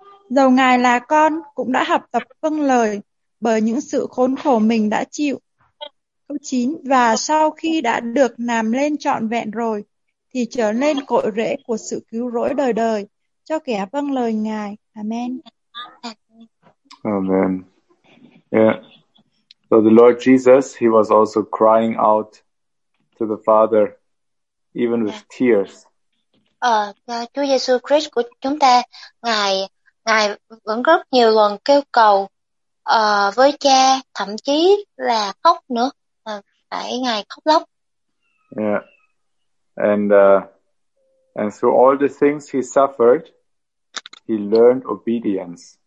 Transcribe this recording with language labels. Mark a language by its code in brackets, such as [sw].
[vi] Dầu Ngài là con cũng đã học tập vâng lời bởi những sự khốn khổ mình đã chịu. Câu 9. Và sau khi đã được làm lên trọn vẹn rồi thì trở nên cội rễ của sự cứu rỗi đời đời cho kẻ vâng lời Ngài. Amen. [en] Amen. Yeah. So the Lord Jesus, he was also crying out to the Father, even with tears. [vi] Chúa Giêsu Christ của chúng ta, ngài vẫn rất nhiều lần kêu cầu với Cha, thậm chí là khóc nữa, phải ngài khóc lóc. [en] Yeah. And through all the things he suffered, he learned obedience.